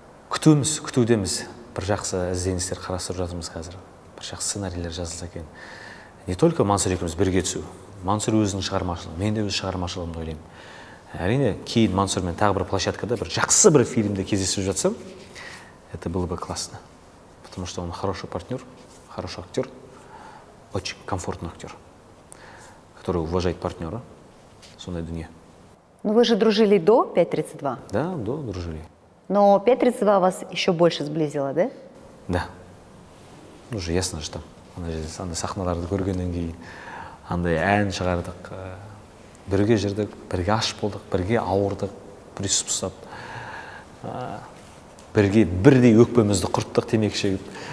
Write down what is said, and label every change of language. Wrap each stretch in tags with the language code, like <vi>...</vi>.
<kk>Күтуіміз, күтудеміз. Бір жақсы ізденістер қарастырып жатырмыз қазір. Бір жақсы сценарийлер жазылса екен.</kk> <ru>Не только</ru> <kk>Мансұр екеуміз бірге түсу. Мансұр өзінің шығармашылығы, мен де өз шығармашылығымды ойлаймын. Әрине, кейін Мансұрмен тағы бір площадкада бір жақсы бір фильмде кездесіп жатсам,</kk> <ru>это было бы классно. Потому что он хороший партнер, хороший актер, очень комфортный актер, который уважает партнера,</ru> <kk>сондай дүние.</kk> <ru>Но вы же дружили до 5.32? Да, до дружили. Но 5.32 вас еще больше сблизило, да? Да. Ну же ясно, что</ru> <kk>анда сахналарды көргенден кейін, анда ән шығардық, бірге жүрдік, бірге аш болдық, бірге ауырдық, присып ұстап, бірге бірдей өкпемізді құрттық темекі шегіп.</kk>